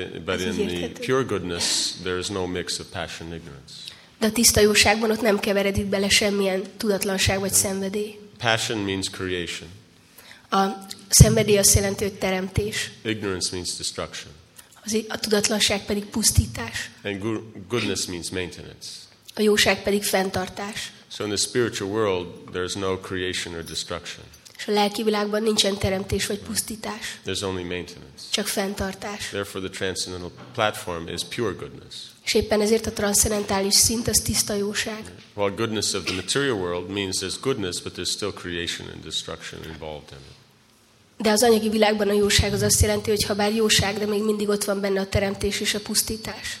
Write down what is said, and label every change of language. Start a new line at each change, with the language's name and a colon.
English: But in the pure goodness, there is no mix of passion and ignorance.
Hungarian: De a tiszta jóságban ott nem keveredik bele semmilyen tudatlanság vagy szenvedély.
English: Passion means creation.
Hungarian: A szenvedély azt jelenti, hogy teremtés.
English: Ignorance means destruction.
Hungarian: A tudatlanság pedig pusztítás.
English: And goodness means maintenance.
Hungarian: A jóság pedig fenntartás.
English: So in the spiritual world, there is no creation or destruction.
Hungarian: És a lelki világban nincsen teremtés vagy pusztítás.
English: There's only maintenance.
Hungarian: Csak fenntartás.
English: Therefore the transcendental platform is pure goodness.
Hungarian: És éppen ezért a transzcendentális szint az tiszta jóság.
English: While goodness of the material world means there's goodness, but there's still creation and destruction involved in it.
Hungarian: De az anyagi világban a jóság az azt jelenti, hogy ha bár jóság, de még mindig ott van benne a teremtés és a pusztítás.